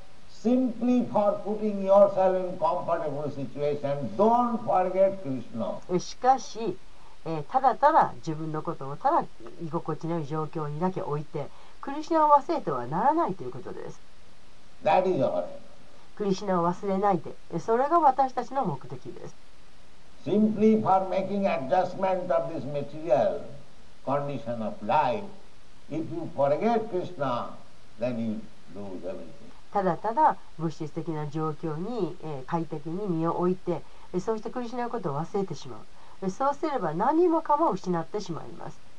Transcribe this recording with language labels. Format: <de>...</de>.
<en>Simply for putting yourself in comfortable situation, don't forget Krishna.</en> <ja>しかし、ただただ自分のことをただ居心地のいい状況にだけ置いて、クリシナを忘れてはならないということです。</ja> <en>That is all.</en> <ja>クリシナを忘れないで、それが私たちの目的です。</ja> <en>Simply for making adjustment of this material condition of life, if you forget Krishna, then you lose everything.</en> <ja>ただただ物質的な状況に快適に身を置いて、そうして苦しないことを忘れてしまう。そうすれば何もかも失ってしまいます。</ja>